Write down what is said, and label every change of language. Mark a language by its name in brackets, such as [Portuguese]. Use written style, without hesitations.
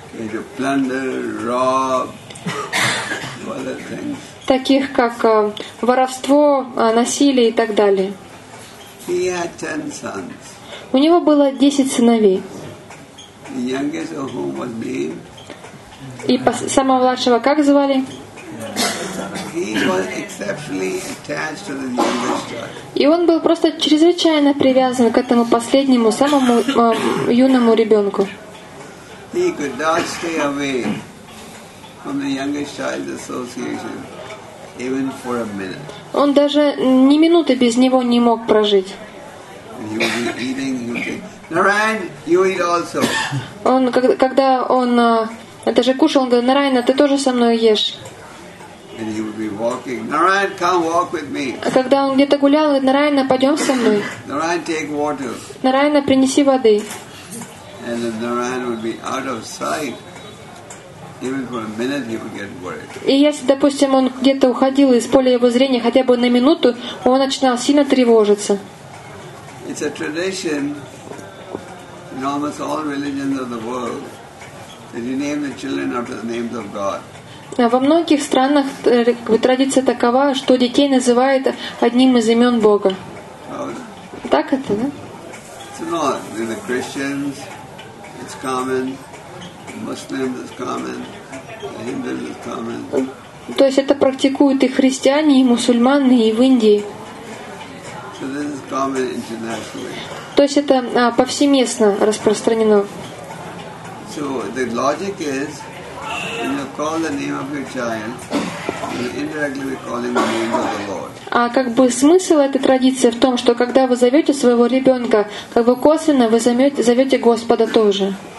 [English] To plunder, rob, other things. [Russian] Таких как воровство, насилие и так далее. [English] He had 10 sons. [Russian] У него было 10 сыновей. [English] The youngest of whom was named. [Russian] И самого младшего как звали? [English] He was exceptionally attached to the youngest child. [Russian] И он был просто чрезвычайно привязан к этому последнему, самому юному ребенку. [English] He could not stay away from the youngest child's association even for a minute. [Russian] Он даже ни минуты без него не мог прожить. [English] He would be eating, he would be... Narayan, you eat also. [Russian] Он, когда он это же кушал, он говорит, Нарайна, ты тоже со мной ешь. [English] And he would be walking. Narayan, come walk with me. [Russian] А когда он где-то гулял, говорит, Нарайна, пойдем со мной. [English] Narayan, take water. [Russian] Нарайна, принеси воды. [English] And if Narayan would be out of sight, even for a minute, he would get worried. [Russian] И если, допустим, он где-то уходил из поля его зрения хотя бы на минуту, он начинал сильно тревожиться. [English] It's a tradition in almost all religions of the world that you name the children after the names of God. [Russian] Во многих странах традиция такова, что детей называют одним из имен Бога. Так это, да? [English] It's not. In the Christians, it's common. In Muslims, it's common. In Hindus, it's common. [Russian] То есть это практикуют и христиане, и мусульманы, и в Индии. [English] So this is common internationally. [Russian] То есть это повсеместно распространено. [English] So the logic is, when you call the name of your child, you're indirectly calling the name of the Lord. [Russian] Как бы смысл этой традиции в том, что когда вы зовете своего ребенка, как бы косвенно вы зовете Господа тоже.